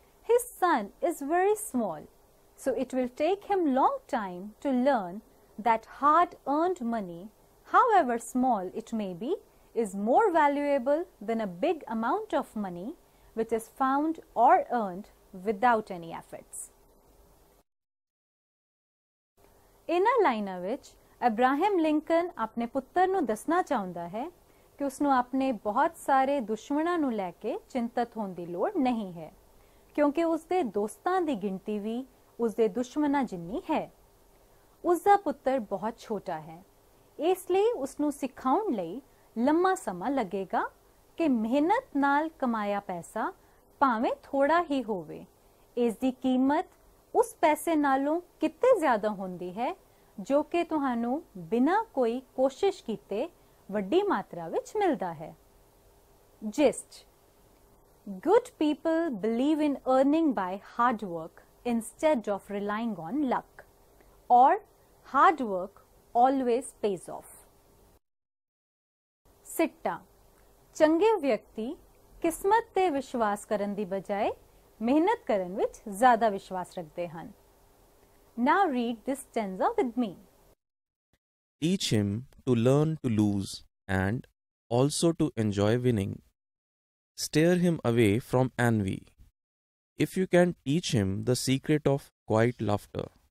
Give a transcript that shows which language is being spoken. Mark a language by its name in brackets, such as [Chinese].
[English] His son is very small, so it will take him long time to learn that hard-earned money, however small it may be, is more valuable than a big amount of money which is found or earned without any efforts. In a line which [Punjabi] ਅਬਰਾਹਿਮ Lincoln ਆਪਣੇ ਪੁੱਤਰ ਨੂੰ ਦੱਸਣਾ ਚਾਹੁੰਦਾ ਹੈ ਕਿ ਉਸਨੂੰ ਆਪਣੇ ਬਹੁਤ ਸਾਰੇ ਦੁਸ਼ਮਣਾਂ ਨੂੰ ਲੈ ਕੇ ਚਿੰਤਤ ਹੋਣ ਦੀ ਲੋੜ ਨਹੀਂ ਹੈ, ਕਿਉਂਕਿ ਉਸਦੇ ਦੋਸਤਾਂ ਦੀ ਗਿਣਤੀ ਵੀ ਉਸਦੇ ਦੁਸ਼ਮਣਾਂ ਜਿੰਨੀ ਹੈ। ਉਸਦਾ ਪੁੱਤਰ ਬਹੁਤ ਛੋਟਾ ਹੈ, ਇਸ ਲਈ ਉਸਨੂੰ ਸਿਖਾਉਣ ਲਈ ਲੰਮਾ ਸਮਾਂ ਲੱਗੇਗਾ ਕਿ ਮਿਹਨਤ ਨਾਲ ਕਮਾਇਆ ਪੈਸਾ ਭਾਵੇਂ ਥੋੜ੍ਹਾ ਹੀ ਹੋਵੇ, ਇਸ ਦੀ ਕੀਮਤ ਉਸ ਪੈਸੇ ਨਾਲੋਂ ਕਿਤੇ ਜ਼ਿਆਦਾ ਹੁੰਦੀ ਹੈ ਜੋ ਕਿ ਤੁਹਾਨੂੰ ਬਿਨਾਂ ਕੋਈ ਕੋਸ਼ਿਸ਼ ਕੀਤੇ ਵੱਡੀ ਮਾਤਰਾ ਵਿੱਚ ਮਿਲਦਾ ਹੈ। [English] Gist, good people believe in earning by hard work instead of relying on luck, or hard work always pays off. [Punjabi] ਸਿੱਟਾ, ਚੰਗੇ ਵਿਅਕਤੀ ਕਿਸਮਤ 'ਤੇ ਵਿਸ਼ਵਾਸ ਕਰਨ ਦੀ ਬਜਾਏ ਮਿਹਨਤ ਕਰਨ ਵਿੱਚ ਜ਼ਿਆਦਾ ਵਿਸ਼ਵਾਸ ਰੱਖਦੇ ਹਨ। [English] Now read this stanza with me. Teach him to learn to lose and also to enjoy winning. Steer him away from envy. If you can teach him the secret of quiet laughter.